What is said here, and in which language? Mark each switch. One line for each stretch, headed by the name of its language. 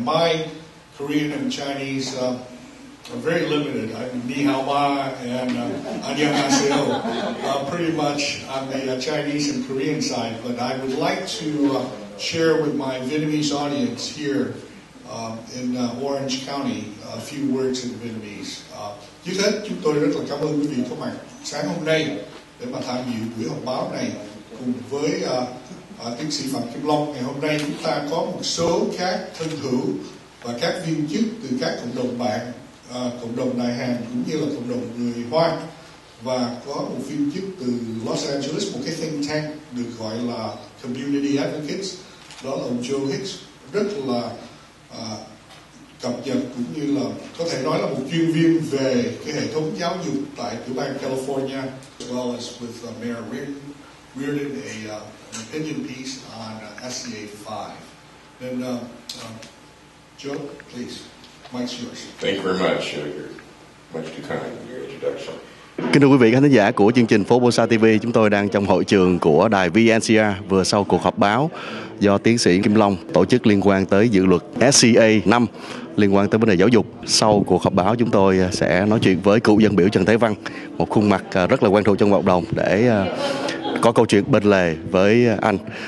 English: And my Korean and Chinese are very limited. I mean,
Chinese: ni hao ma
English: and
Korean: annyeonghaseyo,
English: pretty much on the Chinese and Korean side. But I would like to share with my Vietnamese audience here in Orange County a few words in Vietnamese.
Vietnamese: Trước hết, chúng tôi rất là cảm ơn quý vị có mặt sáng hôm nay để mà tham dự buổi họp báo này cùng với tiến sĩ Phạm Kim Long. Ngày hôm nay chúng ta có một số các thân hữu và các viên chức từ các cộng đồng bạn, cộng đồng Đại Hàn cũng như là cộng đồng người Hoa, và có một viên chức từ Los Angeles, một cái think tank được gọi là Community Advocates, đó là ông Joe Hicks, rất là cập nhật cũng như là có thể nói là một chuyên viên về cái hệ thống giáo dục tại tiểu bang California,
English: as well as with Mayor Reardon, an opinion piece on SEA 5. And Joe, please, mic's yours. Thank you very much, much too kind of your introduction.
Vietnamese: Kính thưa quý vị khán thính giả của chương trình Phố Bosa TV, chúng tôi đang trong hội trường của đài VNCR vừa sau cuộc họp báo do tiến sĩ Kim Long tổ chức liên quan tới dự luật SCA 5 liên quan tới vấn đề giáo dục. Sau cuộc họp báo, chúng tôi sẽ nói chuyện với cựu dân biểu Trần Thế Văn, một khuôn mặt rất là quen thuộc trong cộng đồng, để có câu chuyện bên lề với anh.